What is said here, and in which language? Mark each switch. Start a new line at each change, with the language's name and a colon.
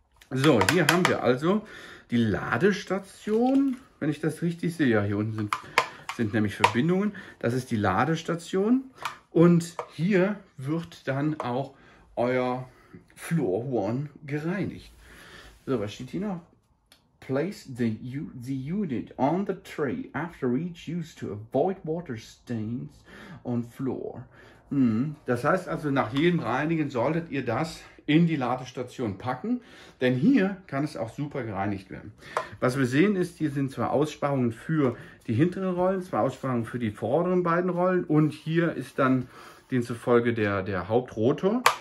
German: So, hier haben wir also die Ladestation, wenn ich das richtig sehe. Ja, hier unten sind nämlich Verbindungen. Das ist die Ladestation und hier wird dann auch euer Floor One gereinigt. So, was steht hier noch?
English: Place the unit on the tray after each use to avoid water stains on floor.
German: Das heißt also, nach jedem Reinigen solltet ihr das in die Ladestation packen, denn hier kann es auch super gereinigt werden. Was wir sehen ist, hier sind zwei Aussparungen für die hinteren Rollen, zwei Aussparungen für die vorderen beiden Rollen und hier ist dann demzufolge der Hauptrotor.